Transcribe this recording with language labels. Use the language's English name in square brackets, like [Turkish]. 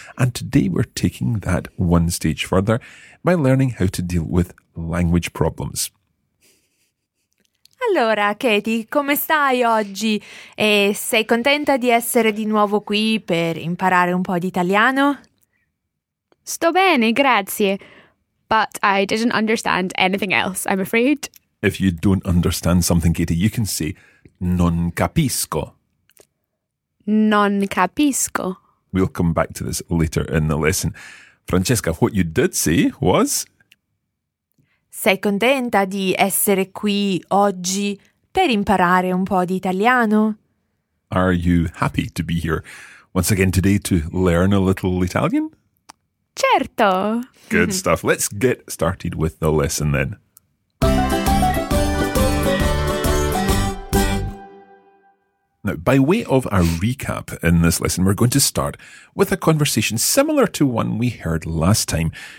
[English] And today we're taking that one stage further by learning how to deal with language problems. [Italian] Allora, Katie, come stai oggi? E sei contenta di essere di nuovo qui per imparare un po' di italiano? Sto bene, grazie. [English] But I didn't understand anything else, I'm afraid. If you don't understand something, Katie, you can say [Italian] non capisco. Non capisco. [English] We'll come back to this later in the lesson. Francesca, what you did say was... [Italian] Sei contenta di essere qui oggi per imparare un po' di italiano? [English] Are you happy to be here once again today to learn a little Italian? [Italian] Certo! [English] Good stuff. Let's get started with the lesson then. Now, by way of a recap in this lesson, we're going to start with a conversation similar to one we heard last time.